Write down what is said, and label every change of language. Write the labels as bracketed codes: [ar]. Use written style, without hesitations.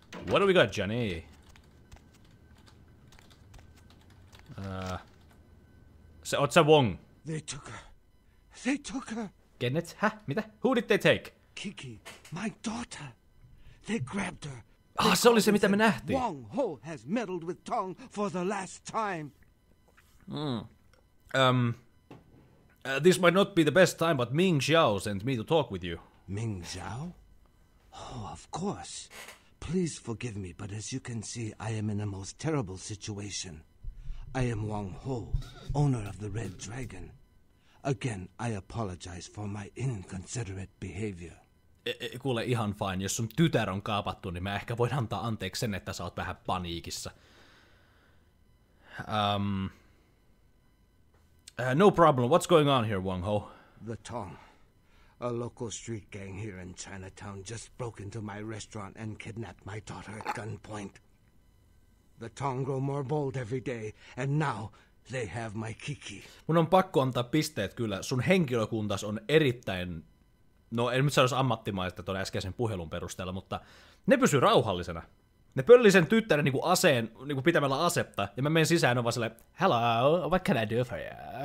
[en] What do we got, Jenny? [fi] Se oot sä Wong? [en] They took her. They took her. Kenneth? [fi] Häh? Mitä? [en] Who did they take? Kiki, my daughter. They grabbed her. [fi] Ah, se oli se, mitä me nähtiin. [en] Wong Ho has meddled with Tong for the last time. This might not be the best time, but Ming Xiao sent me to talk with you. Ming Xiao? Oh, of course. Please forgive me, but as you can see, I am in a most terrible situation. I am Wong Ho, owner of the Red Dragon. Again, I apologize for my inconsiderate behavior. [fi] Kuule, ihan fine. Jos sun tytär on kaapattu, niin mä ehkä voin antaa anteeksi sen, että sä oot vähän paniikissa. [en] No problem. What's going on here, Wong Ho? The Tong. A local street gang here in Chinatown just broke into my restaurant and kidnapped my daughter at gunpoint. The Tong grow more bold every day, and now they have my Kiki. [fi] Mun on pakko antaa pisteet kyllä. Sun henkilökuntas on erittäin... No, en nyt sanoisi ammattimaista tuon äskeisen puhelun perusteella, mutta ne pysyy rauhallisena. Ne pöllii sen tyttären niin kuin aseen, niin kuin pitämällä asetta, ja mä menen sisään ja on vaan sille, [en] hello, what can I do for you?